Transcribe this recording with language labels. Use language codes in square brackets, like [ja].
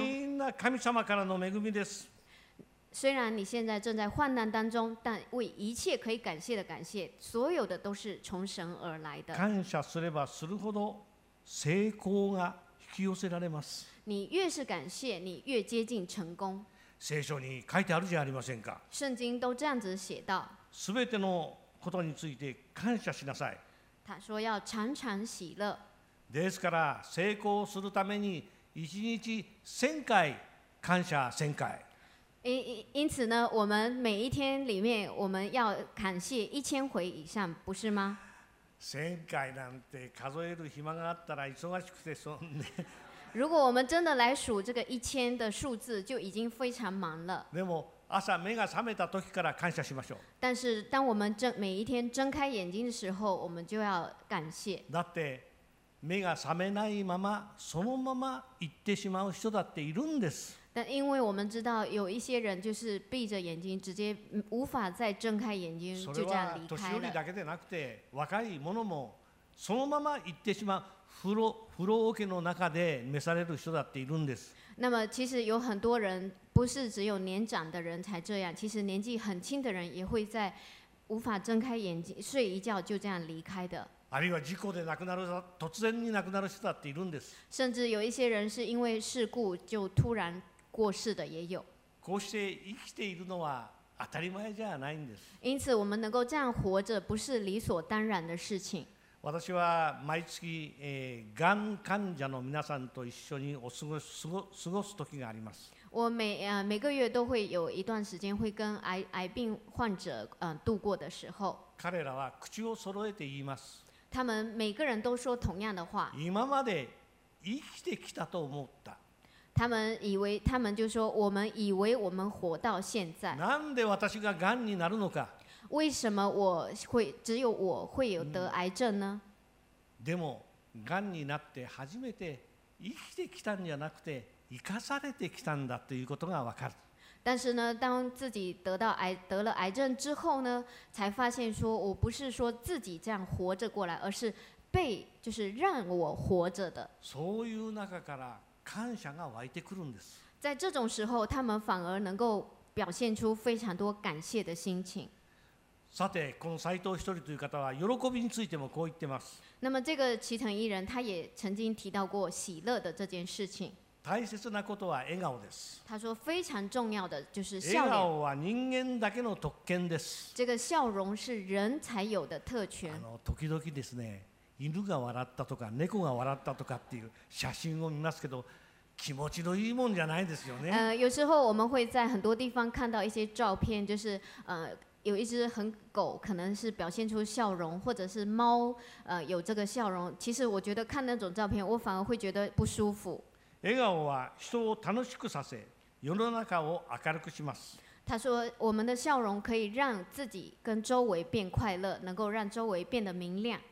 [ja] みんな神様からの恵みです。 [zh] 虽然你现在正在患难当中，但为一切可以感谢的感谢，所有的都是从神而来的。 [ja] 感謝すればするほど成功が引き寄せられます。 [zh] 你越是感谢，你越接近成功。 [ja] 聖書に書いてあるじゃありませんか。 [zh] 圣经都这样子写到。 [ja] すべてのことについて感謝しなさい。 [zh] 他说要常常喜乐。 [ja] ですから成功するために一日千回感謝千回。 [zh] 因此呢，我们每一天里面，我们要感谢一千回以上，不是吗？ [ja] 千回なんて数える暇があったら忙しくてそんね。 [zh] 如果我们真的来数这个一千的数字，就已经非常忙了。 [ja] でも朝目が覚めた時から感謝しましょう。 [zh] 但是当我们每一天睁开眼睛的时候，我们就要感谢。 [ja] だって目が覚めないままそのまま行ってしまう人だっているんです。 [zh] 但因为我们知道有一些人就是闭着眼睛直接无法再睁开眼睛就这样离开了。 [ja] それは年寄りだけでなくて若い者もそのまま行ってしまう風呂桶の中で召される人だっているんです。 [zh] 那么其实有很多人不是只有年长的人才这样，其实年纪很轻的人也会在无法睁开眼睛睡一觉就这样离开的。 [ja] あるいは事故で亡くなる、突然に亡くなる人だっているんです。 [zh] 甚至有一些人是因为事故就突然过世的也有。 [ja] こうして生きているのは当たり前じゃないんです。 [zh] 因此我们能够这样活着不是理所当然的事情。 [ja] 私は毎月、がん患者の皆さんと一緒にお過ごす時があります。 [zh] 我 每个月都会有一段时间会跟 癌病患者、度过的时候。 [ja] 彼らは口を揃えて言います。 [zh] 他们每个人都说同样的话。 [ja] 今まで生きてきたと思った。 [zh] 他们就说我们以为我们活到现在。 [ja] なんで私が癌になるのか。 [zh] 为什么只有我会有得癌症呢？ [ja] でも癌になって初めて生きてきたんじゃなくて生かされてきたんだということがわかる。 [zh] 但是呢，当自己得了癌症之后呢，才发现说我不是说自己这样活着过来，而是被就是让我活着的。 [ja] そういう中から感謝が湧いてくるんです。 [zh] 在这种时候，他们反而能够表现出非常多感谢的心情。 [ja] さて、この斉藤一人という方は喜びについてもこう言ってます。 [zh] 那么这个齐藤一人，他也曾经提到过喜乐的这件事情。 [ja] 大切なことは笑顔です。 [zh] 他说非常重要的就是笑脸。 [ja] 笑顔は人間だけの特権です。 [zh] 这个笑容是人才有的特权。 [ja] 時々ですね。犬が笑ったとか猫が笑ったとかっていう写真を見ますけど、気持ちのいいもんじゃないですよね。 [zh] 有时候我们会在很多地方看到一些照片，就是有一只很狗，可能是表现出笑容，或者是猫有这个笑容。其实我觉得看那种照片，我反而会觉得不舒服。 [ja] 笑顔は人を楽しくさせ、世の中を明るくします。 [zh] 他说我们的笑容可以让自己跟周围变快乐，能够让周围变得明亮。